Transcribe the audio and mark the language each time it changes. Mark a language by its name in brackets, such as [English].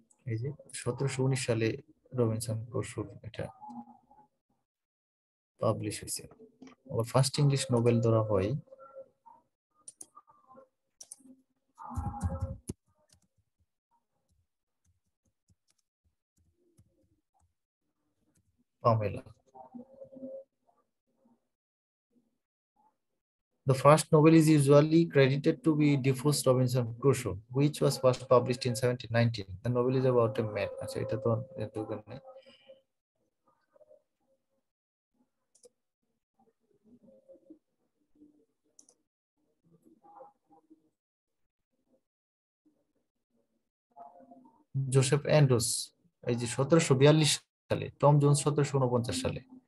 [Bangla] এই যে 1719 সালে রবিনসন কোর্সুর এটা পাবলিশ হয়েছে, আবার ফার্স্ট ইংলিশ নোবেল ধরা হয় Pamela. [English] The first novel is usually credited to be Defoe's Robinson Crusoe, which was first published in 1719. The novel is about a man. [Bangla] আচ্ছা এটা তো এত কেন নেই, জোসেফ অ্যান্ড্রুস এই যে 1742 সালে, টম জোন্স 1749 সালে।